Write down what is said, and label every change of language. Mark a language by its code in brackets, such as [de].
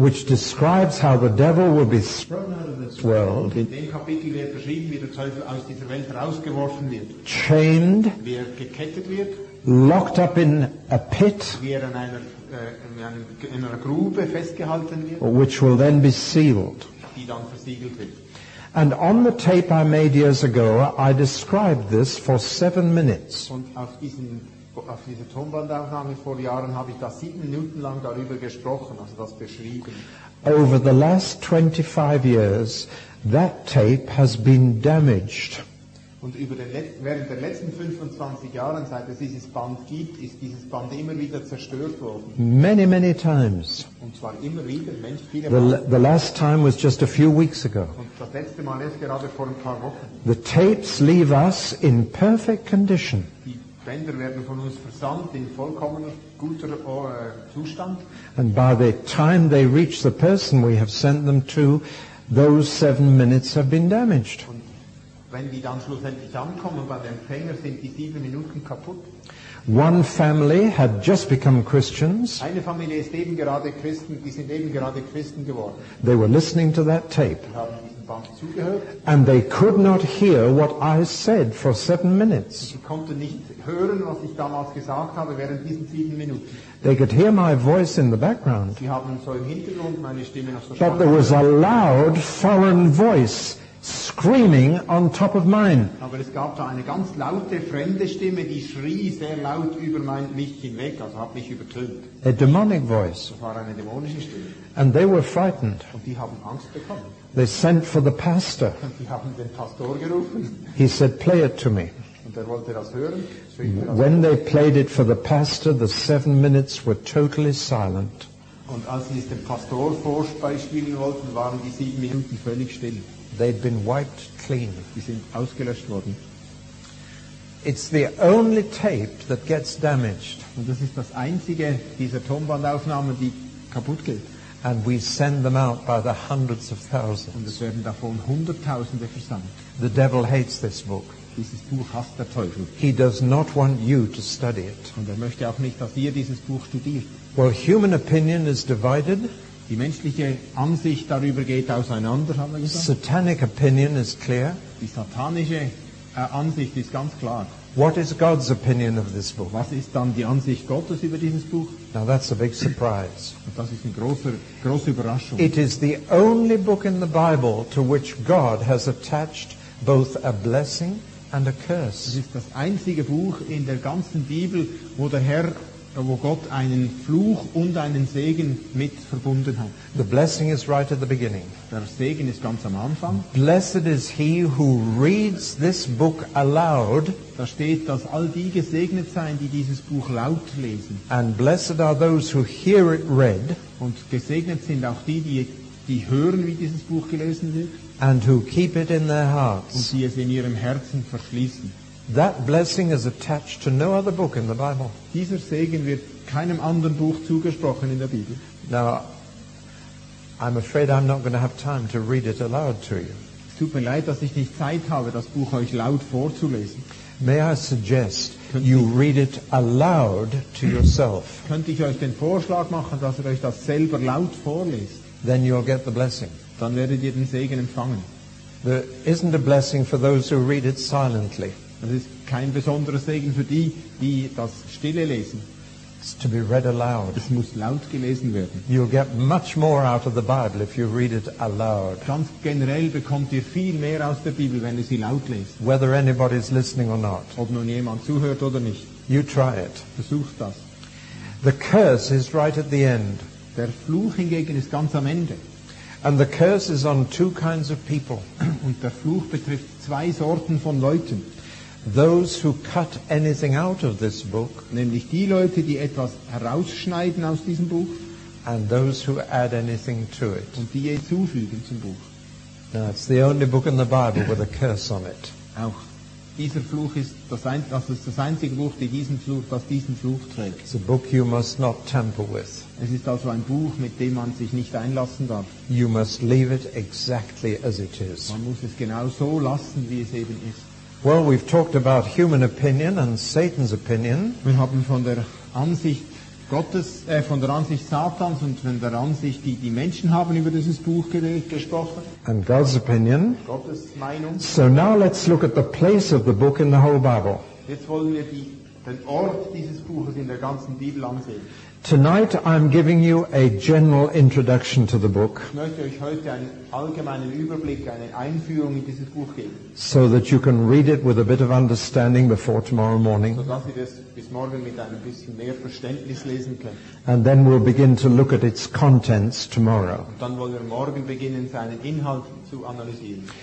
[en] which describes how the devil will be thrown out of this world. [de] In dem Kapitel wird beschrieben, wie der Teufel aus dieser Welt rausgeworfen wird. [en] Chained. [de] Wie gekettet wird. [en] Locked up in a pit. [de] Wie in einer Grube festgehalten wird, [en] which will then be sealed. [de] Die dann versiegelt wird. [en] And on the tape I made years ago, I described this for 7 minutes. [de] Und auf dieser Tonbandaufnahme vor Jahren habe ich das 7 Minuten lang darüber gesprochen, also das beschrieben. [en] Over the last 25 years, that tape has been damaged. [de] Und während der letzten 25 Jahren, seit es dieses Band gibt, ist dieses Band immer wieder zerstört worden. [en] Many, many times. [de] Und zwar immer wieder, Mensch, viele [en] the last time was just a few weeks ago. [de] Und das letzte Mal ist gerade vor ein paar Wochen. [en] The tapes leave us in perfect condition. [de] Die Bänder werden von uns versandt in vollkommen guter Zustand. [en] And by the time they reach the person we have sent them to, those 7 minutes have been damaged. [de] Und wenn die dann schlussendlich ankommen bei dem Empfänger, sind die 7 Minuten kaputt. [en] One family had just become Christians. [de] Eine Familie ist eben gerade Christen, die sind eben gerade Christen geworden. [en] They were listening to that tape. [de] Sie haben diesen Band zugehört. [en] And they could not hear what I said for 7 minutes. [de] Sie konnten nicht hören, was ich damals gesagt habe während diesen 7 Minuten. [en] They could hear my voice in the background. [de] Sie haben so im Hintergrund meine Stimme noch so stark. [en] But there was a loud foreign voice screaming on top of mine. [de] Aber es gab da eine ganz laute fremde Stimme, die schrie sehr laut über mein mich hinweg, also hat mich übertönt. [en] A demonic voice. [de] Das war eine dämonische Stimme. [en] And they were frightened. [de] Und die haben Angst bekommen. [en] They sent for the pastor. [de] Und die haben den Pastor gerufen. [en] He said, "Play it to me." [de] Und er wollte das hören. [en] When they played it for the pastor, the 7 minutes were totally silent. [de] Und als sie es dem Pastor vorspielen wollten, waren die 7 Minuten völlig still. [en] They'd been wiped clean. [de] Die sind ausgelöscht worden. [en] It's the only tape that gets damaged. [de] Und das ist das einzige dieser Tonbandaufnahmen, die kaputt geht. [en] And we send them out by the hundreds of thousands. [de] Und es werden davon Hunderttausende versandt. [en] The devil hates this book. [de] Dieses Buch hasst der Teufel. [en] He does not want you to study it. [de] Und er möchte auch nicht, dass ihr dieses Buch studiert. [en] Well, human opinion is divided. [de] Die menschliche Ansicht darüber geht auseinander, haben wir gesagt. [en] Satanic opinion is clear. [de] Die satanische Ansicht ist ganz klar. [en] What is God's opinion of this book? [de] Was ist dann die Ansicht Gottes über dieses Buch? [en] Now that's a big surprise. [de] Und das ist eine große Überraschung. [en] It is the only book in the Bible to which God has attached both a blessing and a curse. [de] Es ist das einzige Buch in der ganzen Bibel, wo der Herr wo Gott einen Fluch und einen Segen mit verbunden hat. [en] The blessing is right at the beginning. [de] Der Segen ist ganz am Anfang. [en] Blessed is he who reads this book aloud. [de] Da steht, dass all die gesegnet seien, die dieses Buch laut lesen. [en] And blessed are those who hear it read. [de] Und gesegnet sind auch die, die hören, wie dieses Buch gelesen wird. [en] And who keep it in their hearts. [de] Und die es in ihrem Herzen verschließen. [en] That blessing is attached to no other book in the Bible. [de] Dieser Segen wird keinem anderen Buch zugesprochen in der Bibel. [en] Now, I'm afraid I'm not going to have time to read it aloud to you. [de] Es tut mir leid, dass ich nicht Zeit habe, das Buch euch laut vorzulesen. [en] May I suggest you read it aloud to yourself? [de] Könnte ich euch den Vorschlag machen, dass ihr euch das selber laut vorlest? [en] Then you'll get the blessing. [de] Dann werdet ihr den Segen empfangen. [en] There isn't a blessing for those who read it silently. [de] Das ist kein besonderer Segen für die, die das Stille lesen. [en] It's to be read aloud. [de] Es muss laut gelesen werden. [en] You'll get much more out of the Bible if you read it aloud. [de] Ganz generell bekommt ihr viel mehr aus der Bibel, wenn ihr sie laut lest. [en] Whether anybody's listening or not. [de] Ob nun jemand zuhört oder nicht. [en] You try it. [de] Versucht das. [en] The curse is right at the end. [de] Der Fluch hingegen ist ganz am Ende. [en] And the curse is on two kinds of people. [de] Und der Fluch betrifft zwei Sorten von Leuten. [en] Those who cut anything out of this book, [de] nämlich die Leute, die etwas herausschneiden aus diesem Buch, [en] and those who add anything to it, [de] und die es hinzufügen zum Buch. [en] Now it's the only book in the Bible with a curse on it. [de] Auch dieser Fluch ist das einzige Buch, das diesen Fluch trägt. [en] It's a book you must not tamper with. [de] Es ist also ein Buch, mit dem man sich nicht einlassen darf. [en] You must leave it exactly as it is. [de] Man muss es genau so lassen, wie es eben ist. [en] Well, we've talked about human opinion and Satan's opinion. [de] Wir haben von der Ansicht Gottes, von der Ansicht Satans und von der Ansicht, die Menschen haben über dieses Buch gesprochen. [en] And God's opinion. [de] Gottes Meinung. [en] So now let's look at the place of the book in the whole Bible. [de] Jetzt wollen wir den Ort dieses Buches in der ganzen Bibel ansehen. [en] Tonight I'm giving you a general introduction to the book. [de] Ich möchte euch heute einen allgemeinen Überblick, eine Einführung in dieses Buch geben. [en] So that you can read it with a bit of understanding before tomorrow morning. [de] So dass ihr das bis morgen mit ein bisschen mehr Verständnis lesen könnt. [en] And then we'll begin to look at its contents tomorrow. [de] Und dann wollen wir morgen beginnen, seinen Inhalt zu analysieren.